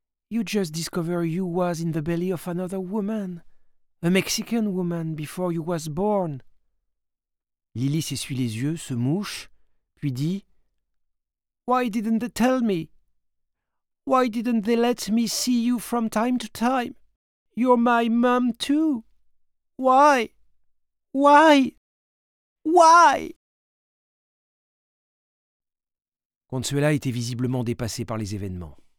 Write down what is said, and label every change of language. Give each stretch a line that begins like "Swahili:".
English: You just discover you was in the belly of another woman. A Mexican woman before you was born.
French: Lily s'essuie les yeux, se mouche, puis dit
English: Why didn't they tell me? Why didn't they let me see you from time to time? You're my mom too. Why? Why? Why?
French: Consuela était visiblement dépassée par les événements.